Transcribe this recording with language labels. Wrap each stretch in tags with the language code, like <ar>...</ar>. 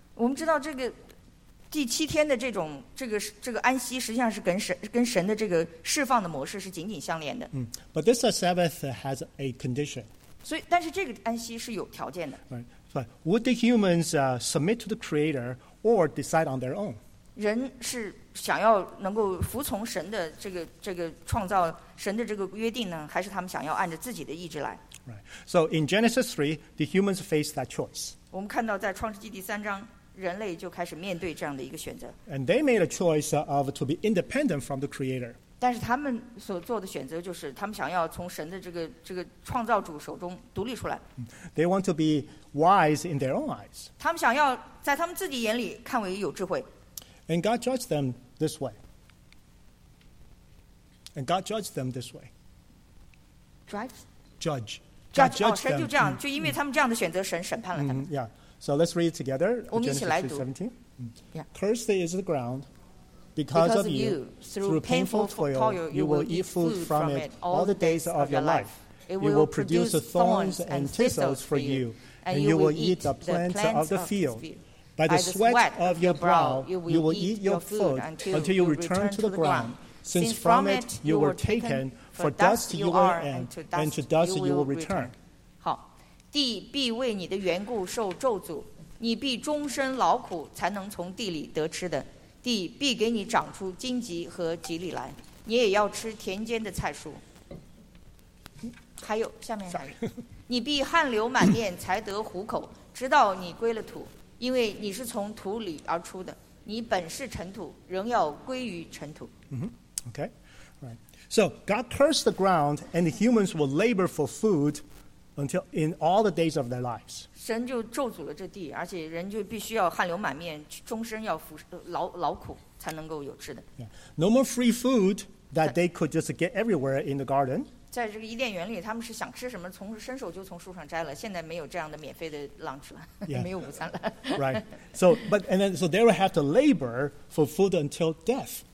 <zh>我们知道这个第七天的这个安息，实际上是跟神的这个释放的模式是紧紧相连的。</zh> <en>But this Sabbath has a condition.</en> <zh>所以，但是这个安息是有条件的。</zh> <en>Right. But would the humans submit to the Creator or decide on their own?</en> <zh>人是想要能够服从神的这个创造神的这个约定呢，还是他们想要按着自己的意志来？</zh> <en>Right. So in Genesis 3, the humans face that choice.</en> <zh>我们看到在创世纪第三章，人类就开始面对这样的一个选择。</zh> <en>And they made a choice of to be independent from the Creator.</en> <zh>但是他们所做的选择就是，他们想要从神的这个创造主手中独立出来。</zh> <en>They want to be wise in their own eyes.</en> <zh>他们想要在他们自己眼里看为有智慧。</zh> <en>And God judged them this way. And God judged them this way. Judge them.</en> <zh>就这样，就因为他们这样的选择，神审判了他们。</zh> <en>Yeah. So let's read it together.</en> <zh>我们一起来读。</zh> <en>Yeah. Cursed is the ground because of you. Through painful toil, you will eat food from it all the days of your life. It will produce thorns and thistles for you, and you will eat the plants of the field. By the sweat of your brow, you will eat your food until you return to the ground. Since from it you were taken. For dust you are, and to dust you will return.</en> <zh>好，地必为你的缘故受咒诅，你必终身劳苦才能从地里得吃的。地必给你长出荆棘和蒺藜来，你也要吃田间的菜蔬。还有下面还有，你必汗流满面才得糊口，直到你归了土，因为你是从土里而出的，你本是尘土，仍要归于尘土。</zh> <en>Okay. So God cursed the ground, and the humans will labor for food until in all the days of their lives.</en> <zh>神就咒诅了这地，而且人就必须要汗流满面，终身要劳苦才能够有吃的。</zh> <en>Yeah. No more free food that they could just get everywhere in the garden.</en> <zh>在这个伊甸园里，他们是想吃什么，伸手就从树上摘了。现在没有这样的免费的 lunch 了，</zh> <en>yeah.</en> <zh>没有午餐了。</zh> <en>Right. So, but and then so they will have to labor for food until death.</en>